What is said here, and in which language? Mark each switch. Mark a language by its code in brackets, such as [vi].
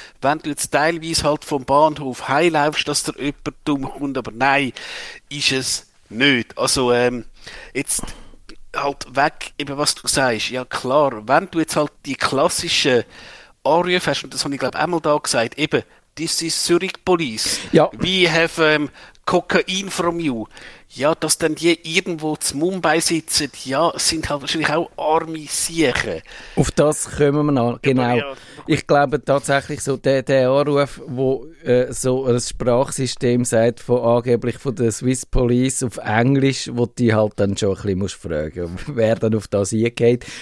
[de] Wenn du jetzt teilweise halt vom Bahnhof heimläufst, dass dir jemand dumm kommt, aber nein, ist es nicht. Also, jetzt... halt weg, eben was du sagst. Ja klar, wenn du jetzt halt die klassischen Anrufe hast, und das habe ich glaube einmal da gesagt, eben, [en] this is Zurich Police, [de] ja. [en] We have Cocaine from you. [de] Ja, dass dann die irgendwo zu Mumbai sitzen, ja, sind halt wahrscheinlich auch arme Siechen. Auf das kommen wir noch, genau. Ich glaube tatsächlich so, der Anruf, wo so ein Sprachsystem sagt, angeblich von der Swiss Police auf Englisch, wo die halt dann schon ein bisschen musst fragen, wer dann auf das eingeht.